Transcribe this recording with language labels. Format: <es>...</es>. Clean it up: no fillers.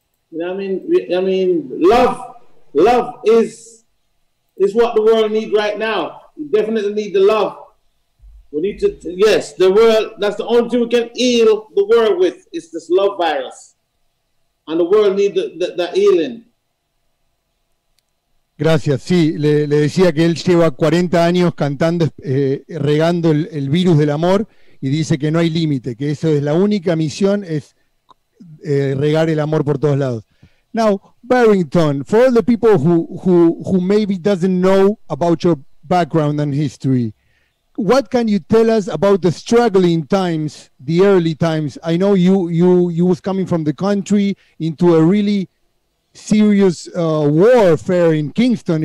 <en>You know what I mean? Love is what the world needs right now. You definitely need the love. We need to, yes, the world, that's the only thing we can heal the world with is this love virus. And the world needs that healing.</en> <es>Gracias, sí, le decía que él lleva 40 años cantando, regando el virus del amor, y dice que no hay límite, que eso es la única misión, es regar el amor por todos lados.</es> <en>Now, Barrington, for all the people who maybe doesn't know about your background and history, what can you tell us about the struggling times, the early times? I know you was coming from the country into a really serious warfare in Kingston.</en>